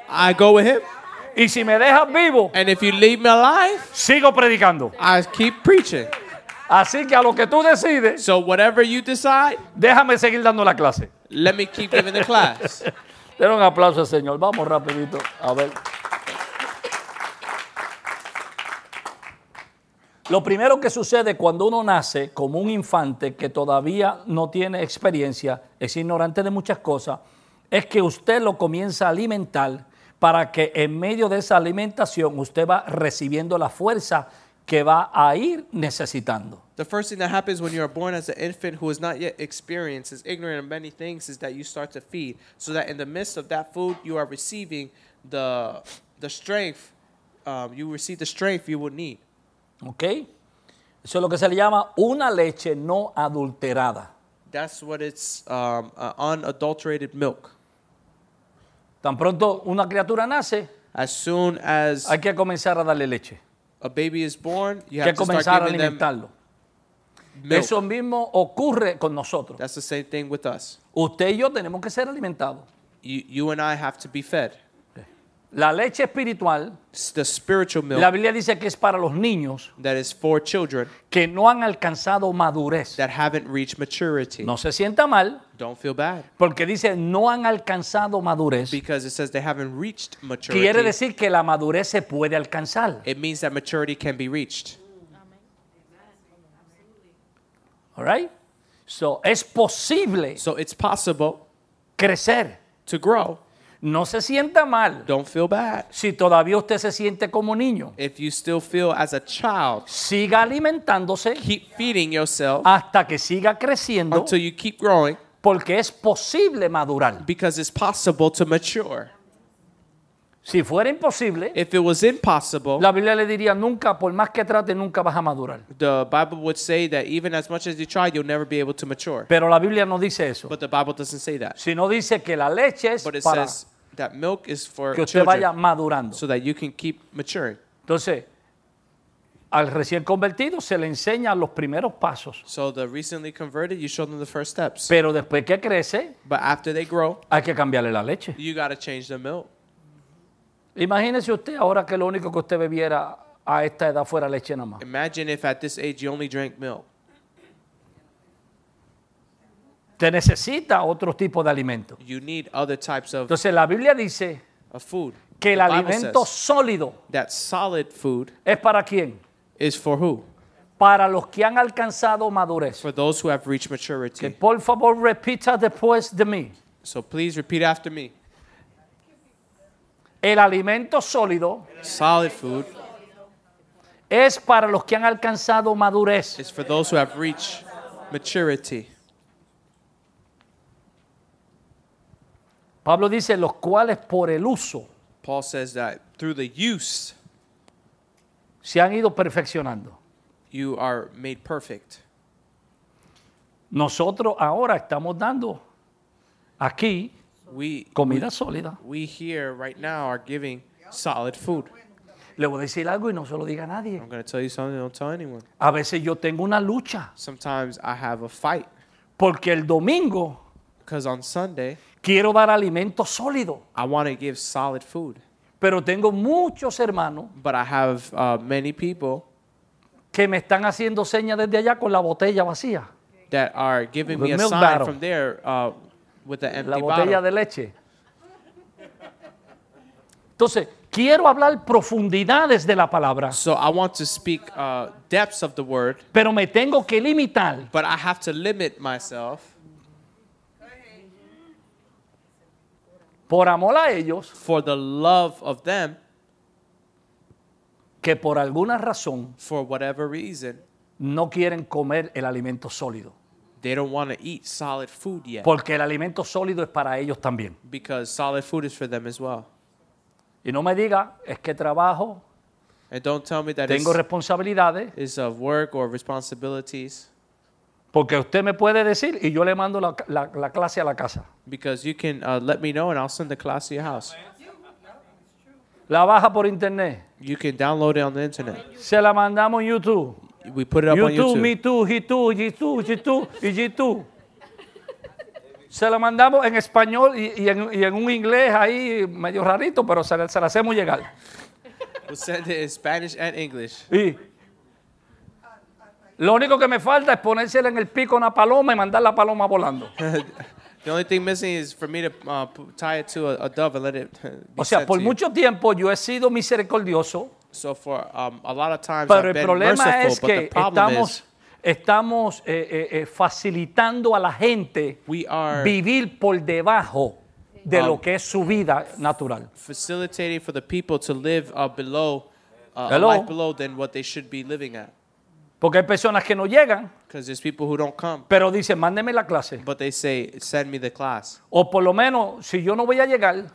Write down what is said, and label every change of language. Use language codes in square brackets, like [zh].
[en] I go with him. [es] Y si me dejas vivo, [en] and if you leave me alive, [es] sigo predicando. [en] I keep preaching. [es] Así que a lo que tú decides, [en] so whatever you decide, [es] déjame seguir dando la clase. [en] Let me keep giving the class. [es] Den un aplauso al Señor. Vamos rapidito. A ver. Lo primero que sucede cuando uno nace como un infante que todavía no tiene experiencia, es ignorante de muchas cosas, es que usted lo comienza a alimentar para que en medio de esa alimentación usted va recibiendo la fuerza que va a ir necesitando. [en] The first thing that happens when you are born as an infant who is not yet experienced, is ignorant of many things, is that you start to feed. So that in the midst of that food, you are receiving the strength, you receive the strength you would need. Okay. [es] Eso es lo que se le llama una leche no adulterada. [en] That's what it's unadulterated milk. [es] Tan pronto una criatura nace, [en] as soon as [es] hay que comenzar a darle leche. [en] A baby is born, you [es] que [en] have to start giving them milk. [es] Eso mismo ocurre con nosotros. [en] That's the same thing with us. [es] Usted y yo tenemos que ser alimentados. [en] You and I have to be fed. [es] La leche espiritual, [en] the spiritual milk, [es] la Biblia dice que es para los niños, [en] that is for children, [es] que no han alcanzado madurez, [en] that haven't reached maturity. [es] No se sienta mal, [en] don't feel bad, [es] porque dice no han alcanzado madurez, [en] because it says they haven't reached maturity. [es] Quiere decir que la madurez se puede alcanzar. [en] It means that maturity can be reached. All right? So [es] es posible, [en] so it's possible, [es] crecer, [en] to grow. [es] No se sienta mal. [en] Don't feel bad. [es] Si todavía usted se siente como niño. [en] If you still feel as a child. [es] Siga alimentándose. [en] Keep feeding yourself. [es] Hasta que siga creciendo. [en] Until you keep growing. [es] Porque es posible madurar. [en] Because it's possible to mature. [es] Si fuera imposible. [en] If it was impossible. [es] La Biblia le diría nunca, por más que trate, nunca vas a madurar. [en] The Bible would say that even as much as you try, you'll never be able to mature. [es] Pero la Biblia no dice eso. [en] But the Bible doesn't say that. [es] Sino dice que la leche es para. [en] But it says that milk is for [es] que usted [en] children, [es] vaya madurando. [en] So that you can keep maturing. [es] Entonces, Al recién convertido se le enseña los primeros pasos. [en] So the recently converted, you show them the first steps. [es] Pero después que crece, [en] but after they grow, [es] hay que cambiarle la leche. [en] You gotta change the milk. [es] Imagínese usted ahora que lo único que usted bebiera a esta edad fuera leche nada más. [en] Imagine if at this age you only drank milk. [es] Te necesita otro tipo de alimento. [en] You need other types of. [es] Entonces la Biblia dice [en] of food. [es] Que el alimento sólido [en] that solid food [es] es para quién? [en] Is for who? [es] Para los que han alcanzado madurez. [en] For those who have reached maturity. [es] Que por favor repita después de mí. [en] So please repeat after me. [es] El alimento sólido [en] solid food [es] es para los que han alcanzado madurez. [en] Is for those who have reached maturity. [es] Pablo dice los cuales por el uso [en] Paul says that through the use [es] se han ido perfeccionando. [en] You are made perfect. [es] Nosotros ahora estamos dando aquí comida sólida. [en] We here right now are giving solid food. [es] Le voy a decir algo y no se lo diga a nadie. [en] I'm going to tell you something, don't tell anyone. [es] A veces yo tengo una lucha. [en] Sometimes I have a fight. [es] Porque el domingo [en] because on Sunday [es] quiero dar alimento sólido. [en] I want to give solid food. [es] Pero tengo muchos hermanos. [en] But I have many people. [es] Que me están haciendo señas desde allá con la botella vacía. [en] That are giving me a sign battle. From there with the empty [es] la botella [en] bottle. [es] De leche. Entonces, quiero hablar profundidades de la palabra. [en] So I want to speak depths of the word. [es] Pero me tengo que limitar. [en] But I have to limit myself. [es] Por amor a ellos, [en] for the love of them, [es] que por alguna razón, [en] for whatever reason, [es] no quieren comer el alimento sólido. [en] They don't want to eat solid food yet. [es] Porque el alimento sólido es para ellos también. [en] Because solid food is for them as well. [es] Y no me diga, es que trabajo, [en] and don't tell me that [es] tengo responsabilidades, [en] is of work or responsibilities. [es] Porque usted me puede decir y yo le mando la clase a la casa. [en] Because you can let me know and I'll send the class to your house. [es] La baja por internet. [en] You can download it on the internet. [es] Se la mandamos en YouTube. [en] We put it up YouTube, on YouTube. YouTube, me too, he too, he too, he too, he too. [es] Se la mandamos en español y en un inglés ahí medio rarito, pero se la hacemos llegar. [en] We'll send it in Spanish and English. [es] Y lo único que me falta es ponérsela en el pico a una paloma y mandar la paloma volando. [en] The only thing missing is for me to tie it to a dove and let it be [es] o sea, [en] sent [es] por [en] to [es] mucho [en] you. [es] Tiempo yo he sido misericordioso. [en] So for a lot of times [es] pero [en] I've been [es] problema [en] merciful, [es] es que [en] but the problem [es] estamos, [en] is [es] estamos facilitando a la gente [en] we are [es] vivir por debajo de lo que es su vida natural. [en] Facilitating for the people to live below, a life below than what they should be living at. [es] Porque hay personas que no llegan. [en] Because there's people who don't come. [es] Pero dicen, mándeme la clase. [en] But they say, send me the class. [es] O por lo menos, si yo no voy a llegar.